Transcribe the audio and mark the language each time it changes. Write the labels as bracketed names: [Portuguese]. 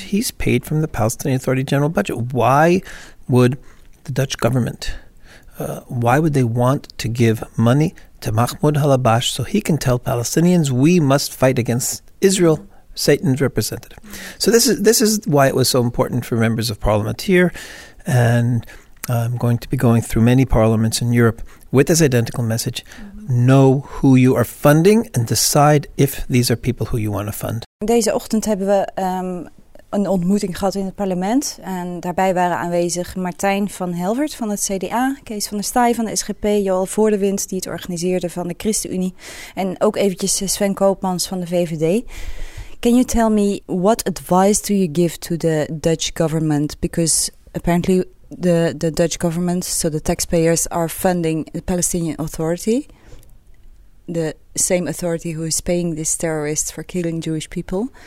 [English] He's paid from the Palestinian Authority general budget. Why would the Dutch government, why would they want to give money to Mahmoud al-Habash so he can tell Palestinians we must fight against Israel, Satan's representative? So this is why it was so important for members of parliament here, and I'm going to be going through many parliaments in Europe with this identical message. Know who you are funding and decide if these are people who you want to fund. [Dutch] Deze ochtend hebben we een ontmoeting gehad in het parlement. En daarbij waren aanwezig Martijn van Helvert van het CDA, Kees van der Staaij van de SGP, Joël Voordewind die het organiseerde van de ChristenUnie. En ook eventjes Sven Koopmans van de VVD. [English] Can you tell me what advice do you give to the Dutch government? Because apparently the Dutch government, so the taxpayers, are funding the Palestinian Authority, the same authority who is paying these terrorists for killing Jewish people.